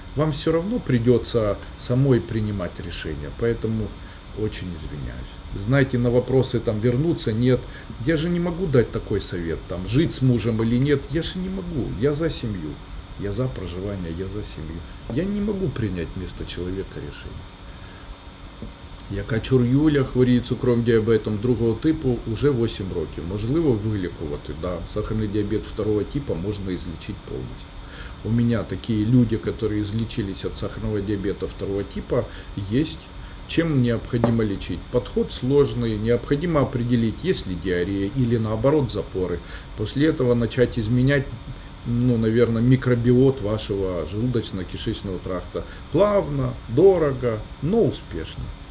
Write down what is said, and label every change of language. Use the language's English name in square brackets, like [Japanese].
[Russian] Вам все равно придется самой принимать решение, поэтому очень извиняюсь. Знаете, на вопросы там вернуться, нет, я же не могу дать такой совет, там жить с мужем или нет, я же не могу, я за семью, я за проживание, я за семью. Я не могу принять вместо человека решение. [Ukrainian] Я качур Юля, хворію цукровим діабетом другого типу уже 8 років. Можливо вилікувати, да. Сахарний діабет второго типу можна [Russian] излечить [Ukrainian] повністю. У мене такі люди, які [Russian] излечились [Ukrainian] від сахарного діабету второго типу, є. [Russian] Чем необходимо лечить? Подход сложный, необходимо определить, есть ли диарея или наоборот запоры. После этого начать изменять, ну, наверное, микробиот вашего желудочно-кишечного тракта. Плавно, дорого, но успешно.